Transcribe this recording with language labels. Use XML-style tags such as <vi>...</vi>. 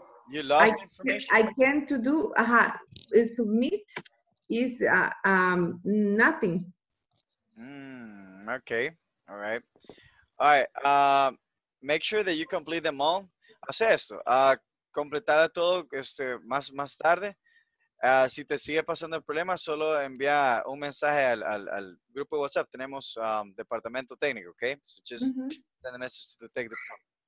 <en>You lost information? I can't to do, submit is nothing. Okay, all right. All right, make sure that you complete them all.</en> <es>Hace esto, completar todo más tarde. Si te sigue pasando el problema, solo envía un mensaje al grupo de WhatsApp. Tenemos departamento técnico, okay?</es> <en>So just send a message to the tech department.</en>